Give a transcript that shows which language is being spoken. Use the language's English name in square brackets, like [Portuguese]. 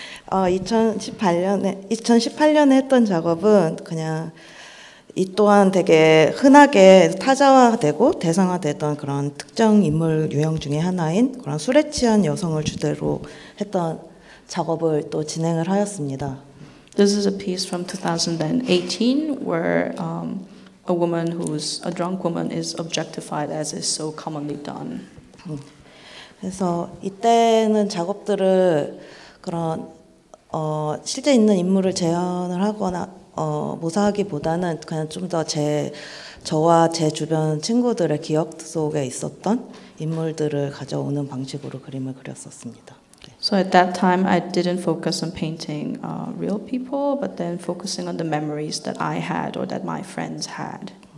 [Korean] 2018년에 했던 작업은 그냥 이 또한 되게 흔하게 타자화되고 대상화되던 그런 특정 인물 유형 중에 하나인 그런 술에 취한 여성을 주제로 했던 작업을 또 진행을 하였습니다. [English] This is a piece from 2018 where a woman who's a drunk woman is objectified as is so commonly done. [Korean] 그래서 이때는 작업들을 그런 실제 있는 인물을 재현을 하거나 묘사하기보다는 그냥 좀 더 저와 제 주변 친구들의 기억 속에 있었던 인물들을 가져오는 방식으로 그림을 그렸었습니다. [English] So at that time, I didn't focus on painting real people, but then focusing on the memories that I had or that my friends had.